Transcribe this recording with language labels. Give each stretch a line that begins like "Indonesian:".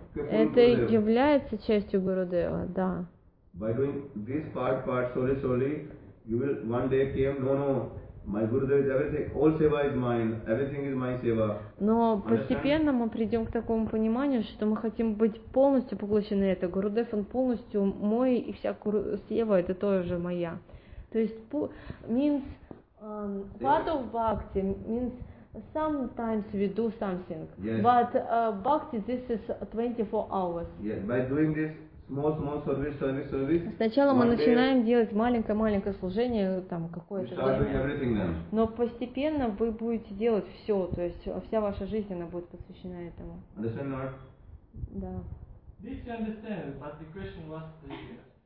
Russian: Это является частью Гурудева, да.
English: By doing this part slowly, slowly, you will one day came, no, my Gurudev is everything, all seva is mine, everything is my seva.
Russian: Но постепенно мы придем к такому пониманию, что мы хотим быть полностью поглощены это. Гурудев, он полностью мой, и вся сева это тоже моя. То есть,
English: means part of bhakti, means sometimes we do something, but bhakti, this is 24 hours. Yeah, by doing this small service.
Russian: Сначала мы начинаем делать маленькое-маленькое служение, там, какое-то. Но постепенно вы будете делать все, то есть вся ваша жизнь, она будет посвящена этому.
English: Understand not?
Russian: Да.
English: This you understand, but the question was different.